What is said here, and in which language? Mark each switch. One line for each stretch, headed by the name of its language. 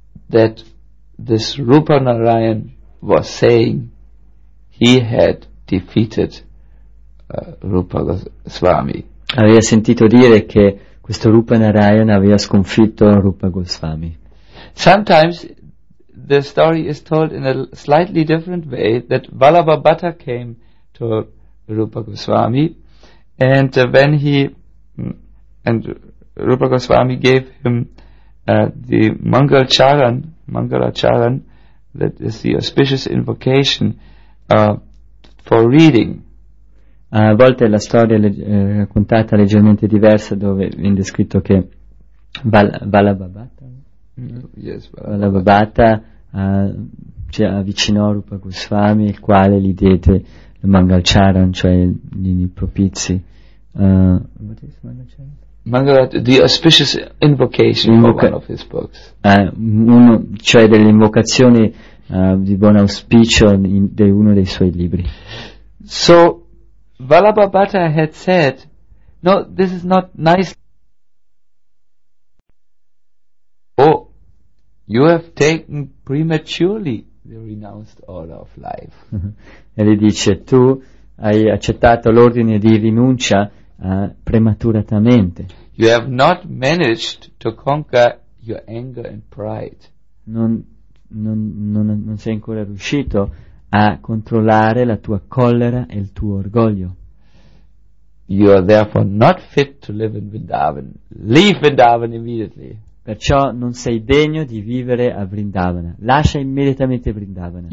English: that this Rupa Narayan was saying he had defeated Rupa Goswami.
Italian: Aveva sentito dire che questo Rupa Narayan aveva sconfitto Rupa Goswami.
English: Sometimes the story is told in a slightly different way, that Vallabha Bhatta came to Rupa Goswami, and when he and Rupa Goswami gave him the Mangalacharan, that is the auspicious invocation for reading.
Italian: A volte la storia è raccontata leggermente diversa, dove viene descritto che Vallabha Bhatta,
English: yes,
Italian: Vallabha Bhatta, cioè avvicinò Rupa Goswami, il quale gli diede il Mangalacharan, cioè gli propizi
English: the auspicious invocation for one of his books,
Italian: cioè delle invocazioni di buon auspicio di uno dei suoi libri.
English: So Vallabha Bhatta had said, no, this is not nice. You have taken prematurely the renounced order of life.
Italian: E lui dice, tu hai accettato l'ordine di rinuncia prematuratamente.
English: You have not managed to conquer your anger and pride.
Italian: Non sei ancora riuscito a controllare la tua collera e il tuo orgoglio.
English: You are therefore not fit to live in Vrindavan. Leave Vrindavan immediately.
Italian: Perciò non sei degno di vivere a Vrindavana. Lascia immediatamente Vrindavana.